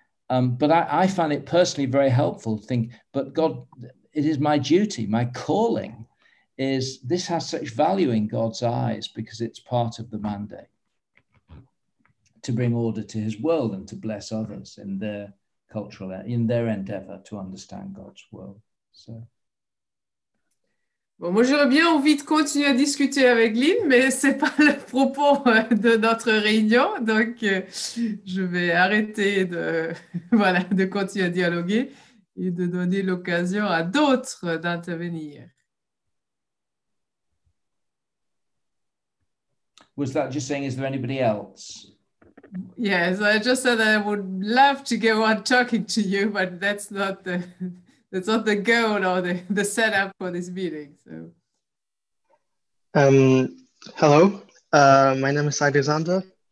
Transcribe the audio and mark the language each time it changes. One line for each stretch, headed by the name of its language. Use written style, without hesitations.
English: but I find it personally very helpful to think, but God, it is my duty, my calling is, this has such value in God's eyes because it's part of the mandate to bring order to his world and to bless others in their cultural, in their endeavor to understand God's world. So.
French: Bon, moi, j'aurais bien envie de continuer à discuter avec Lynn, mais ce n'est pas le propos de notre réunion. Donc, je vais arrêter de continuer à dialoguer et de donner l'occasion à d'autres d'intervenir.
English: Was that just saying, is there anybody else? Yes, I just said that I would love to go on talking to you, but that's not the... That's not the goal or the setup for this meeting. So. Hello, my name is Alexander.